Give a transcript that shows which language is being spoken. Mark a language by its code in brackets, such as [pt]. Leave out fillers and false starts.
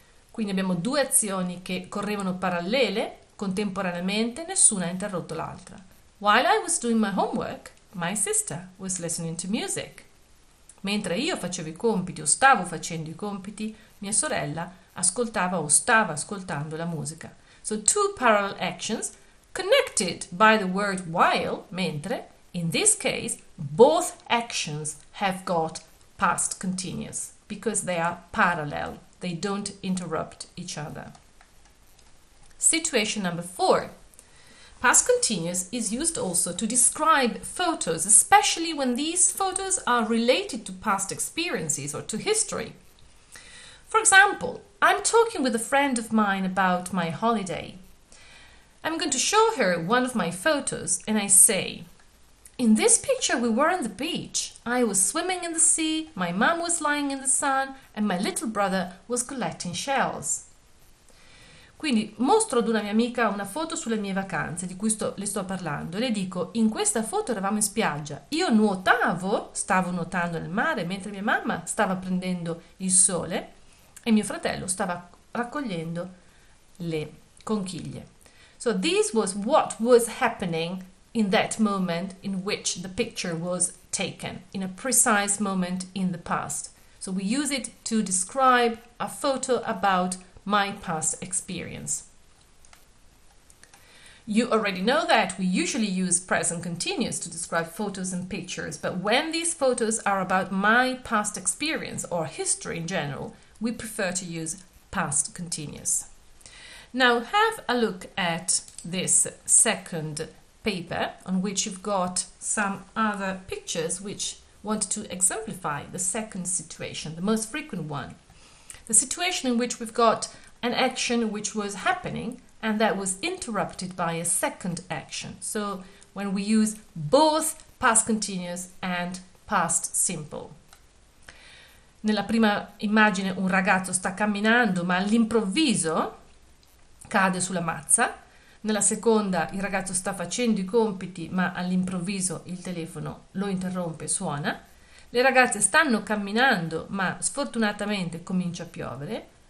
[it] Quindi abbiamo due azioni che correvano parallele, contemporaneamente, nessuna ha interrotto l'altra. [en] While I was doing my homework, my sister was listening to music. [it] Mentre io facevo i compiti o stavo facendo i compiti, mia sorella ascoltava o stava ascoltando la musica. [en] So two parallel actions connected by the word while, [it] mentre, [en] in this case, both actions have got past continuous because they are parallel. They don't interrupt each other. Situation number four. Past continuous is used also to describe photos, especially when these photos are related to past experiences or to history. For example, I'm talking with a friend of mine about my holiday. I'm going to show her one of my photos and I say, in this picture we were on the beach. I was swimming in the sea, my mom was lying in the sun and my little brother was collecting shells. [it] Quindi mostro ad una mia amica una foto sulle mie vacanze di cui le sto parlando e le dico, in questa foto eravamo in spiaggia, io stavo nuotando nel mare mentre mia mamma stava prendendo il sole e mio fratello stava raccogliendo le conchiglie. [en] So this was what was happening in that moment in which the picture was taken, in a precise moment in the past. So we use it to describe a photo about my past experience. You already know that we usually use present continuous to describe photos and pictures, but when these photos are about my past experience or history in general, we prefer to use past continuous. Now have a look at this second paper on which you've got some other pictures which want to exemplify the second situation, the most frequent one. The situation in which we've got an action which was happening and that was interrupted by a second action. So when we use both past continuous and past simple. [it] Nella prima immagine un ragazzo sta camminando ma all'improvviso cade sulla mazza. Nella seconda il ragazzo sta facendo i compiti ma all'improvviso il telefono lo interrompe e suona. Le ragazze stanno camminando ma sfortunatamente comincia a piovere.